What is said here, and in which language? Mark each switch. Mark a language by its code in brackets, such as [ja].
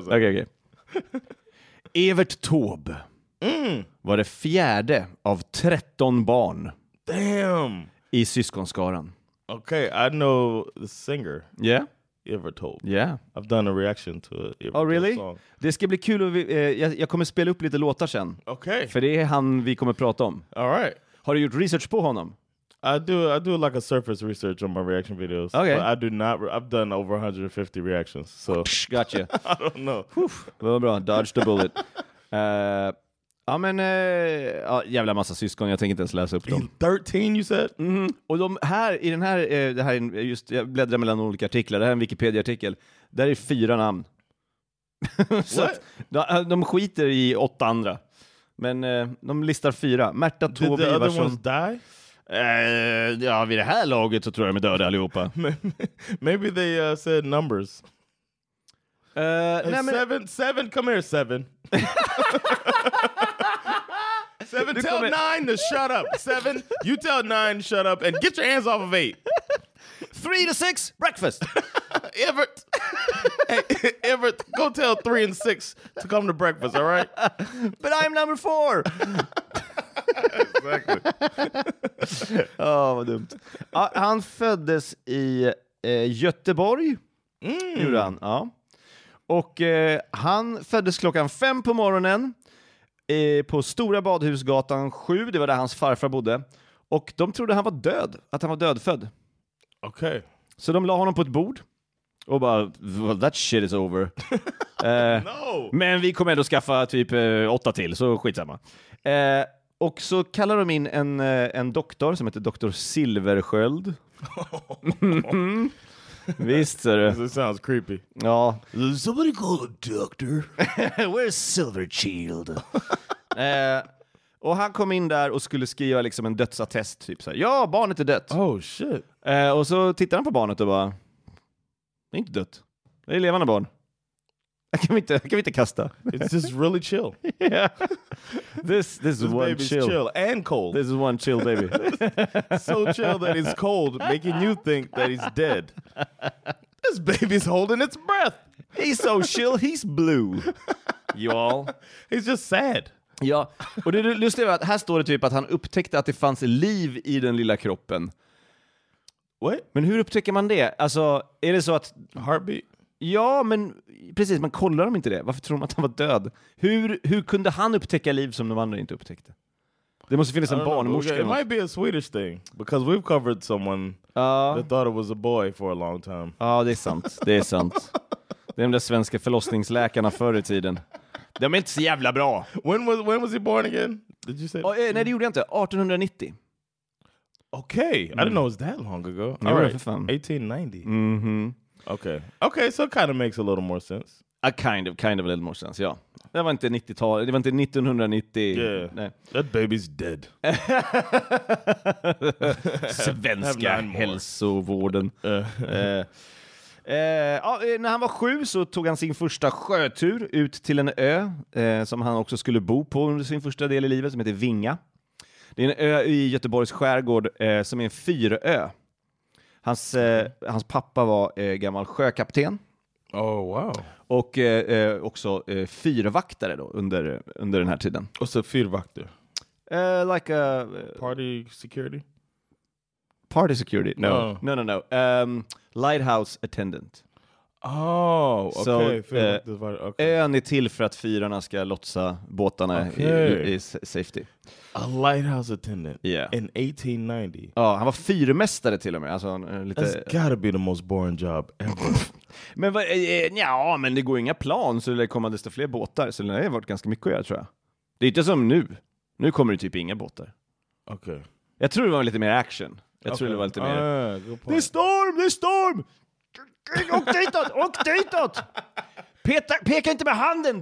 [sv] Okay. Evert Taube var det fjärde av 13 barn. [en] Damn. [sv] I syskonskaran. [en] Okay, I know the singer. Yeah. Evert Taube. Yeah. I've done a reaction to [sv] Evert. [en] Oh, really? [sv] Det ska bli kul. Jag kommer spela upp lite låtar sen. [en] Okay. [sv] För det är han vi kommer prata om. [en] All right. [sv] Har du gjort research på honom? [en] I do like a surface research on my reaction videos. Okay. But I do not. I've done over 150 reactions. So. Gotcha. I don't know. Oof. Well, bra. Dodged a bullet. [sv] Ja, men jävla massa syskon. Jag tänker inte ens läsa upp dem. [en] 13, you said? Mm-hmm. [sv] Och de här, i den här, det här är just, jag bläddrar mellan olika artiklar. Det här är en Wikipedia-artikel. Där är fyra namn. [en] What? Att, [sv] de skiter i åtta andra. Men de listar fyra. Märta, Tove, [en] Iversson. Did the other ones die? [sv] Ja, vid det här laget så tror jag de är döda allihopa. [en] Maybe they said numbers. [sv] Nej, [en] seven, come here, seven. Seven, du tell nine to shut up. Seven, you tell nine to shut up and get your hands off of eight. Three to six, breakfast. Evert. Hey, Evert, go tell three and six to come to breakfast, all right? But I'm number four. Exactly. [sv] Åh, vad dumt. Han föddes i Göteborg. Gjorde han, ja. Och han föddes klockan 5 på morgonen på Stora Badhusgatan 7. Det var där hans farfar bodde. Och de trodde han var död. Att han var dödfödd. Okej. Okay. Så de la honom på ett bord. Och bara, [en] well, that shit is over. No! [sv] Men vi kommer ändå skaffa typ 8 till, så skitsamma. Och så kallar de in en doktor som heter doktor Silversköld. Visst, sir. [en] It sounds creepy. [sv] Ja. [en] Somebody call a doctor. Where's Silverchild? [sv] Och han kom in där och skulle skriva liksom en dödsattest. Typ så här, ja, barnet är dött. [en] Oh, shit. [sv] Och så tittar han på barnet och bara, det är inte dött. Det är levande barn. Kan vi inte kasta? [en] It's just really chill. Yeah. This is one chill. Chill and cold. This is one chill baby. So chill that it's cold, making you think that he's dead. This baby's holding its breath. He's so chill, he's blue. Y'all. He's just sad. [sv] Ja, och det du lyssnar på, här står det typ att han upptäckte att det fanns liv i den lilla kroppen. [en] What? [sv] Men hur upptäcker man det? Alltså, är det så att... [en] Heartbeat. [sv] Ja, men precis, man kollar dem inte det. Varför tror de att han var död? Hur kunde han upptäcka liv som de andra inte upptäckte? Det måste finnas en barnmorska. [en] It might be a Swedish thing, because we've covered someone that thought it was a boy for a long time. [sv] Ja, det är sant. Det är sant. Det är de svenska förlossningsläkarna förr i tiden. De är inte så jävla bra. [en] When was he born again? Did you say? [sv] Oh, nej, det gjorde jag inte. 1890. [en] Okay, I didn't know it was that long ago. All right, 1890. Mm-hmm. Okay, okay, so it kind of makes a little more sense. A kind of a little more sense, yeah. [sv] Det var inte 90-talet, det var inte 1990. [en] Yeah, nej. That baby's dead. [sv] Svenska hälsovården. När han var 7 så tog han sin första sjötur ut till en ö som han också skulle bo på under sin första del i livet, som heter Vinga. Det är en ö i Göteborgs skärgård som är en fyrö. Hans pappa var gammal sjökapten. [en] Oh, wow. [sv] Och också fyrvaktare då under den här tiden. Och så fyrvakter. [en] Like a party security. Party security. No. No, no, no. Lighthouse attendant. Oh, okay. So, okay. [sv] Ön är till för att fyrarna ska lotsa båtarna i safety. [en] A lighthouse attendant. Yeah. In 1890. [sv] Ja, han var fyrmästare till och med. Alltså, lite... [en] That's gotta be the most boring job ever. [sv] Men men det går inga plan, så det kommer desto fler båtar. Så det har varit ganska mycket att göra, tror jag. Det är inte som nu. Nu kommer det typ inga båtar. Okej. Okay. Jag tror det var lite mer action. Jag tror det var lite mer... Det är storm! Det är storm! Åk ditåt! Åk ditåt! Peka inte med handen!